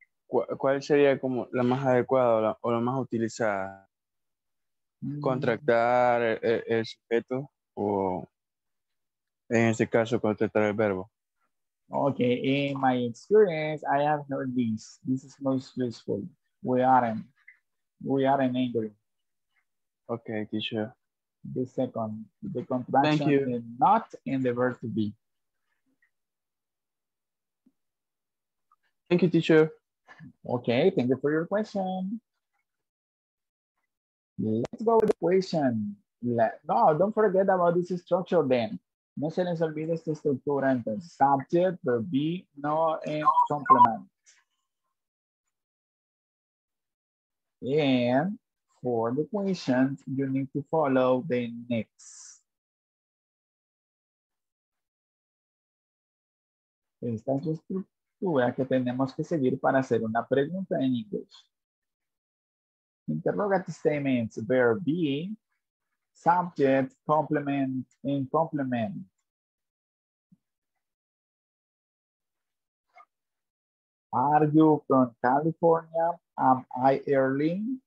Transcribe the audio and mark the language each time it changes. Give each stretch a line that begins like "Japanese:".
Spanish: ¿Cuál sería como la más adecuada o la más utilizada? ¿Contractar el sujeto o en este caso contractar el verbo?
English: Okay, in my experience, I have heard this. This is most useful. We aren't angry. Okay, teacher. The second, the contraction is not in the verb to be. Thank you, teacher. Okay, thank you for your question. Let's go with the question. No, don't forget about this structure then.
Spanish: No se les olvide esta estructura entre
English: subject, verb be, no, and complement. And for the question, you need to follow the next.
Spanish: Esta es la estructura que tenemos que seguir para hacer una pregunta en inglés.
English: Interrogative statements, verb be, subject, complement, and complement. Are you from California? Am I early?